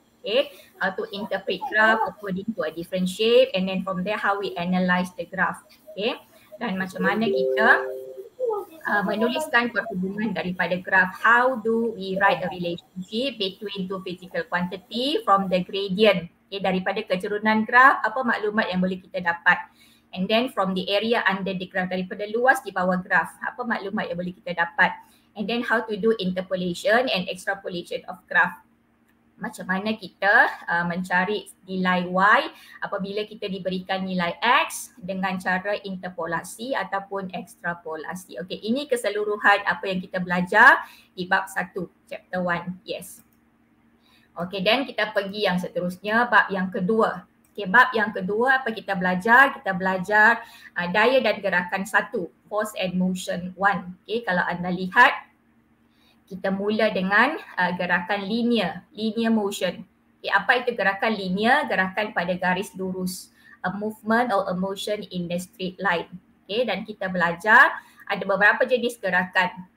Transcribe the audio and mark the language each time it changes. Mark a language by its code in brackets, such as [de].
[en] Okay, how to interpret graph according to a different shape and then from there how we analyze the graph. [ms] Okay, dan macam mana kita menuliskan perhubungan daripada graph. [en] How do we write a relationship between two physical quantity from the gradient. [ms] Okay, daripada kecerunan graph, apa maklumat yang boleh kita dapat. [en] And then from the area under the graph, [ms] daripada luas di bawah graph, apa maklumat yang boleh kita dapat. [en] And then how to do interpolation and extrapolation of graph. [ms] Macam mana kita mencari nilai Y apabila kita diberikan nilai X dengan cara interpolasi ataupun ekstrapolasi. Okey, ini keseluruhan apa yang kita belajar di bab 1, chapter 1. Yes. Okey, then kita pergi yang seterusnya, bab yang kedua. Okey, bab yang kedua apa kita belajar? Kita belajar daya dan gerakan 1, [en] force and motion 1. [ms] Okey, kalau anda lihat, kita mula dengan gerakan linear, linear motion. Okay, apa itu gerakan linear? Gerakan pada garis lurus. [en] A movement or a motion in the straight line. [ms] Okay, dan kita belajar ada beberapa jenis gerakan.